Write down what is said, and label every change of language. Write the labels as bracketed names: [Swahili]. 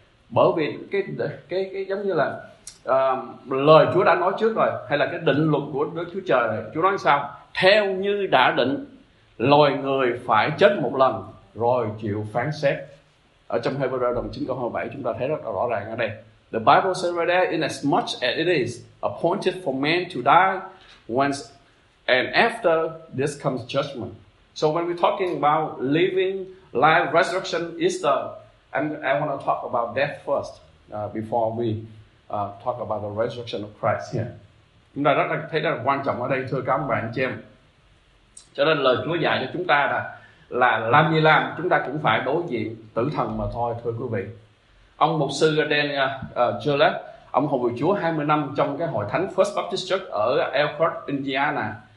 [Vietnamese] Bởi vì cái giống như là lời Chúa đã nói trước rồi, hay là cái định luật của Đức Chúa Trời này, Chúa nói sao? Theo như đã định, loài người phải chết một lần rồi chịu phán xét. Ở trong Hebrew đồng 9 câu 27 chúng ta thấy rất là rõ ràng ở đây. [English] The Bible says right there, inasmuch as it is appointed for man to die once and after this comes judgment. So when we're talking about living, life, resurrection, Easter, I want to talk about death first before we talk about the resurrection of Christ here. [Vietnamese] Chúng ta rất là thấy rất là quan trọng ở đây, thưa các bạn chị em. Cho nên lời Chúa dạy cho chúng ta là làm gì làm, chúng ta cũng phải đối diện tử thần mà thôi, thưa quý vị. Ông mục sư Daniel Gillette, ông hầu vị Chúa 20 năm trong cái hội thánh First Baptist Church ở Elkhart, Indiana,